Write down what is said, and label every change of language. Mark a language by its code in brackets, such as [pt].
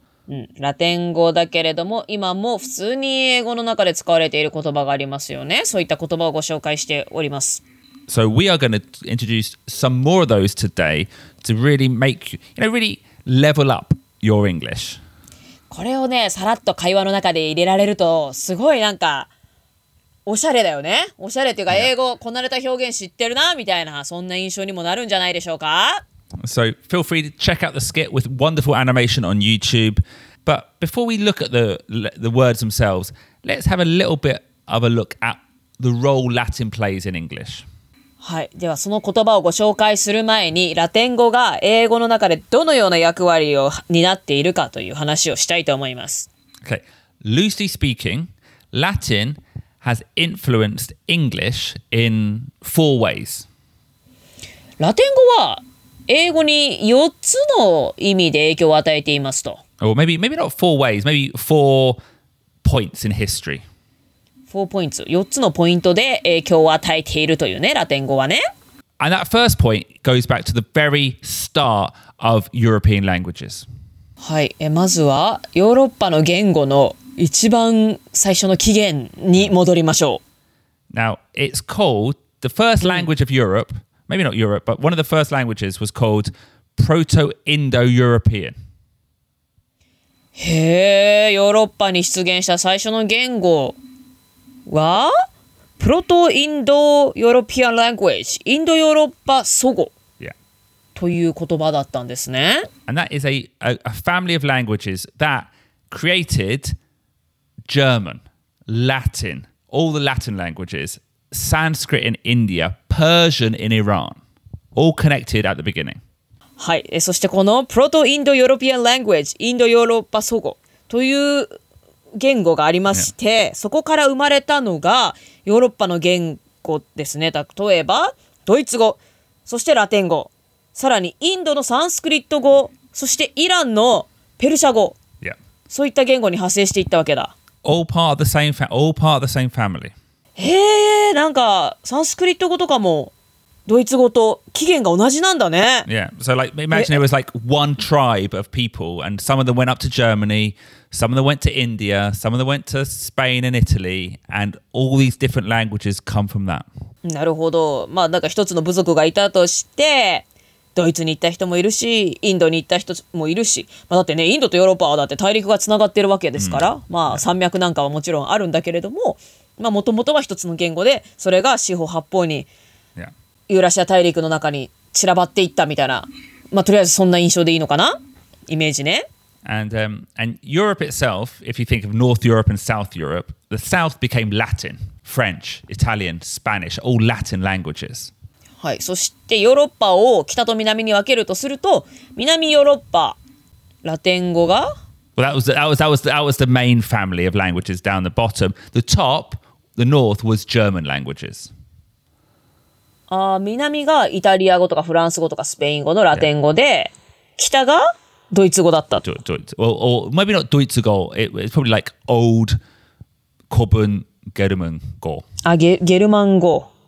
[en] So we are going to introduce some more of those today to really make you, you know, really level up your English. [ja] これをね、さらっと会話の中で入れられると、すごいなんか、おしゃれだよね。おしゃれっていうか、英語、こなれた表現知ってるな、みたいな、そんな印象にもなるんじゃないでしょうか。 [en] So, feel free to check out the skit with wonderful animation on YouTube. But before we look at the words themselves, let's have a little bit of a look at the role Latin plays in English. [ja] はい、ではその言葉をご紹介する前にラテン語が英語の中でどのような役割を担っているかという話をしたいと思います。 [en] Okay, loosely speaking, Latin has influenced English in four ways. [ja] ラテン語は英語に4つの意味で影響を与えていますと。 [en] Or maybe not four ways, maybe four points in history. 4 points, [ja] 4つのポイントで影響を与えているというね、ラテン語はね。 [en] And that first point goes back to the very start of European languages. [ja] はい、まずはヨーロッパの言語の一番最初の起源に戻りましょう。 [en] Now, it's called the first language of Europe, maybe not Europe, but one of the first languages was called Proto-Indo-European. [ja] へえ、ヨーロッパに出現した最初の言語。はプロトインドヨーロピアンランゴエージインドヨーロッパ祖語、 yeah. という言葉だったんですね。 [en] And that is a family of languages that created German, Latin, all the Latin languages, Sanskrit in India, Persian in Iran, all connected at the beginning. [ja] はい、そしてこのプロトインドヨーロピアンランゴエージインドヨーロッパ祖語という言語がありまして、yeah. そこから生まれたのがヨーロッパの言語ですね。例えばドイツ語、そしてラテン語、さらにインドのサンスクリット語、そしてイランのペルシャ語、 yeah. そういった言語に派生していったわけだ。 [en] All part of the same family. [ja] へえ、なんかサンスクリット語とかもドイツ語と起源が同じなんだね。 [en] Yeah, so like imagine it was like one tribe of people, and some of them went up to Germany. Some of them went to India, some of them went to Spain and Italy, and all these different languages come from that. [ja] なるほど。まあなんか一つの部族がいたとして、ドイツに行った人もいるし、インドに行った人もいるし、まあだってね、インドとヨーロッパはだって大陸がつながってるわけですから、mm. まあ山脈なんかはもちろんあるんだけれども、まあもともとは一つの言語で、それが四方八方にユーラシア大陸の中に散らばっていったみたいな、まあとりあえずそんな印象でいいのかな？イメージね。 [en] And Europe itself, if you think of North Europe and South Europe, the South became Latin, French, Italian, Spanish, all Latin languages. [ja] はい、そしてヨーロッパを北と南に分けるとすると、南ヨーロッパ、ラテン語が。 [en] Well, that was the main family of languages down the bottom. The top, the North, was German languages. [ja] 南がイタリア語とかフランス語とかスペイン語のラテン語で、北が。ドイツ語だった。 [en] Or maybe not ドイツ語。It's probably like old Coburn German 語。 [ja] あ、ゲルマン語。